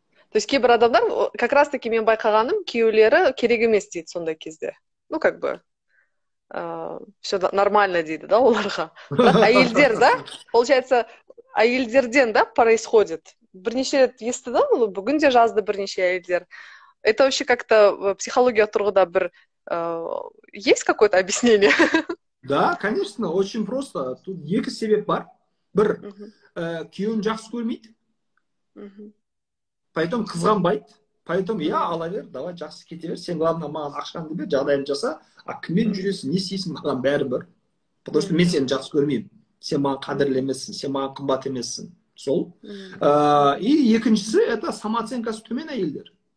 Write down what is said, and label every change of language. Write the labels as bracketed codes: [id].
[ru] То есть [kk] кейбір адамдар, [ru] как раз таки [kk] мен байқағаным, күйеулері керек емес дейді сонда кезде. [ru] Ну, как бы, все нормально дейді, да, оларға. [kk] Бірақ әйелдер, да, получается, әйелдерден, да, происходит. Бірнеше рет есті, да, ол, бүгінде жазды бірнеше әйелдер. [ru] Это вообще как-то [kk] психология тұрғыда бір... [ru] есть какое-то объяснение? Да, конечно, очень просто. [kk] Тут екі себеп бар. Бір, күйеуін жақсы көрмейді. Поэтому қызғанбайды. Поэтому я ала бер, давай жақсы кете бер. Сен главное маған ақшаңды бер, жағдайын жаса. А кіммен жүресің, не істейсің маған бәрі бір. Потому что мен сені жақсы көрмеймін. Сен маған қадірлі емессің, сен маған қымбат емессің. Сол. И екіншісі, это самооценкасы төмен әйелдер.